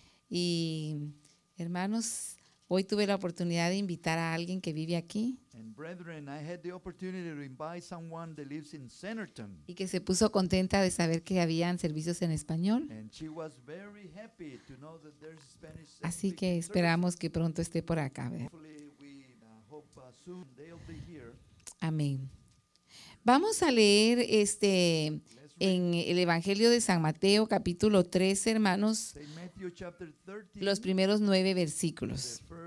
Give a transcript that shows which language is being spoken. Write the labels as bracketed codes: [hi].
[es] Y hermanos, hoy tuve la oportunidad de invitar a alguien que vive aquí. [en] Brethren, I had the opportunity to invite someone that lives in Centerton. [es] Y que se puso contenta de saber que habían servicios en español. [en] And she was very happy to know that there's Spanish. [es] Así que esperamos que pronto esté por acá. [en] Hopefully we hope soon they'll be here. [es] Amén. Vamos a leer en el Evangelio de San Mateo, capítulo 13, hermanos, los primeros 9 versículos.